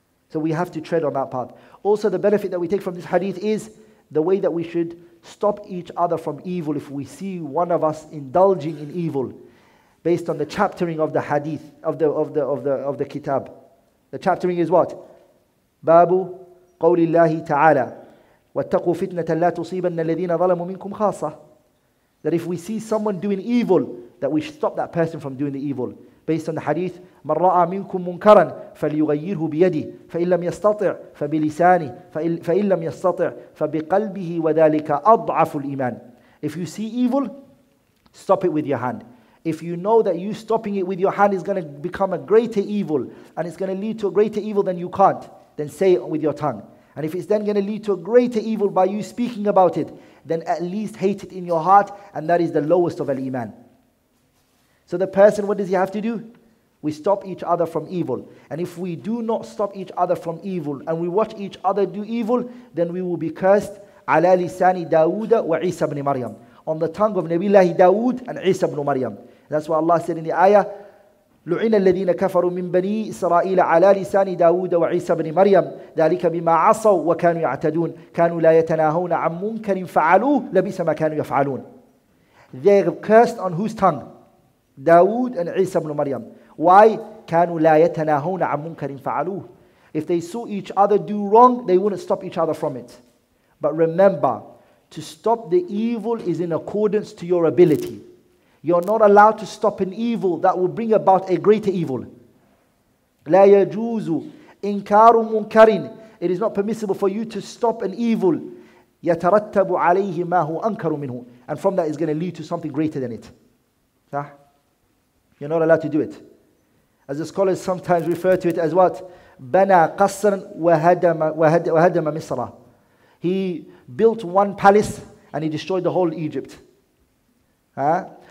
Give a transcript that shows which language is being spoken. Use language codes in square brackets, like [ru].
[en] So we have to tread on that path. Also, the benefit that we take from this hadith is the way that we should stop each other from evil if we see one of us indulging in evil, based on the chaptering of the hadith of the kitab. The chaptering is what? [ar] بابو قول الله تعالى واتقوا فتنة لا تصيبن الذين ظلموا منكم خاصة. [en] That if we see someone doing evil, that we should stop that person from doing the evil. Based on the hadith, [ar] من رأى منكم منكرا فليغيره بيده فإن لم يستطع فبلسانه فإن لم يستطع فبقلبه وذلك أضعف الإيمان. [en] If you see evil, stop it with your hand. If you know that you stopping it with your hand is going to become a greater evil and it's going to lead to a greater evil, then you can't. Then say it with your tongue. And if it's then going to lead to a greater evil by you speaking about it, then at least hate it in your heart, and that is the lowest of al-Iman. So the person, what does he have to do? We stop each other from evil. And if we do not stop each other from evil, and we watch each other do evil, then we will be cursed. [ar] عَلَى لِسَانِ دَاوُدَ وَعِيسَى بْنِ مَرْيَمْ. [en] On the tongue of Nabi Allah Dawood and Isa ibn Maryam. That's why Allah said in the ayah, [ar] لعن الذين كفروا من بني إسرائيل على لسان داود وعيسى بن مريم ذلك بما عصوا وكانوا يعتدون كانوا لا يتناهون عن منكر فعلوه لبئس ما كانوا يفعلون. [en] They cursed on whose tongue? داود and عيسى بن مريم. Why? [ar] كانوا لا يتناهون عن منكر فعلوه. [en] If they saw each other do wrong, they wouldn't stop each other from it. But remember, to stop the evil is in accordance to your ability. You're not allowed to stop an evil that will bring about a greater evil. [ar] لا يجوز إنكار منكر. [en] It is not permissible for you to stop an evil. [ar] يترتب عليه ما هو أنكر منه. [en] And from that is going to lead to something greater than it. صح? You're not allowed to do it. As the scholars sometimes refer to it as what? [ar] بنى قصرا وهدم مصر. [en] He built one palace and he destroyed the whole Egypt. Huh?